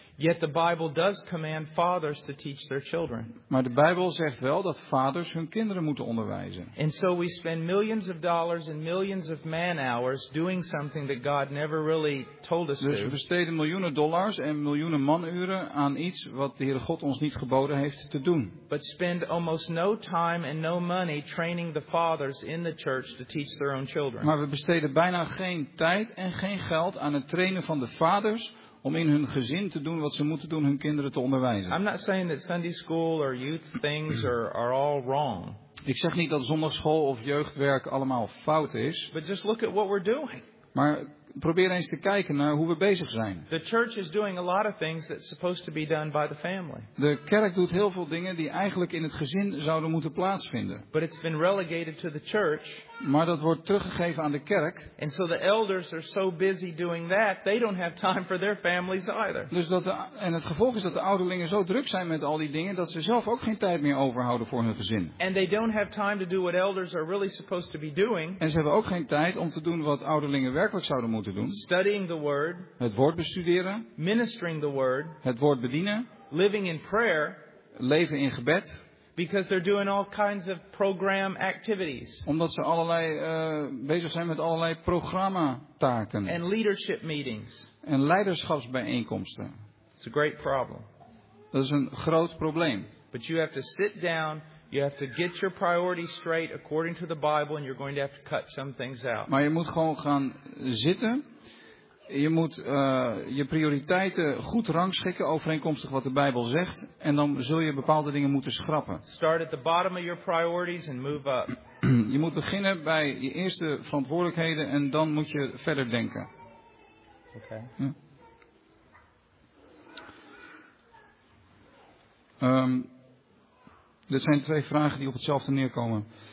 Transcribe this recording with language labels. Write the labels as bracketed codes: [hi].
[en] Yet the Bible does command fathers to teach their children. [nl] Maar de Bijbel zegt wel dat vaders hun kinderen moeten onderwijzen. [en] And so we spend millions of dollars and millions of man hours doing something that God never really told us to. [nl] Dus we besteden miljoenen dollars en miljoenen manuren aan iets wat de Heere God ons niet geboden heeft te doen. [en] But spend almost no time and no money training the fathers in the church to teach their own children. [nl] Maar we besteden bijna geen tijd en geen geld aan het trainen van de vaders om in hun gezin te doen wat ze moeten doen, hun kinderen te onderwijzen. [en] I'm not saying that Sunday school or youth things are all wrong. [nl] Ik zeg niet dat zondagsschool of jeugdwerk allemaal fout is. [en] But just look at what we're doing. [nl] Maar probeer eens te kijken naar hoe we bezig zijn. [en] The church is doing a lot of things that's supposed to be done by the family. [nl] De kerk doet heel veel dingen die eigenlijk in het gezin zouden moeten plaatsvinden. [en] But it's been relegated to the church. [nl] Maar dat wordt teruggegeven aan de kerk. [en] And so the elders are so busy doing that, they don't have time for their families either. [nl] Dus en het gevolg is dat de ouderlingen zo druk zijn met al die dingen dat ze zelf ook geen tijd meer overhouden voor hun gezin. [en] And they don't have time to do what elders are really supposed to be doing. [nl] En ze hebben ook geen tijd om te doen wat ouderlingen werkelijk zouden moeten. [en] Studying the word, [nl] het woord bestuderen, [en] ministering the word, [nl] het woord bedienen, [en] living in prayer, [nl] leven in gebed, [en] because they're doing all kinds of program activities. [nl] Omdat ze allerlei bezig zijn met allerlei programmataken. [en] And leadership meetings. [nl] En leiderschapsbijeenkomsten. [en] It's a great problem. [nl] Dat is een groot probleem. [en] But you have to sit down. You have to get your priorities straight according to the Bible and you're going to have to cut some things out. [nl] Maar je moet gewoon gaan zitten. Je moet je prioriteiten goed rangschikken overeenkomstig wat de Bijbel zegt en dan zul je bepaalde dingen moeten schrappen. [en] Start at the bottom of your priorities and move up. [nl] Je moet beginnen bij je eerste verantwoordelijkheden en dan moet je verder denken. Oké. Ja. Dit zijn twee vragen die op hetzelfde neerkomen.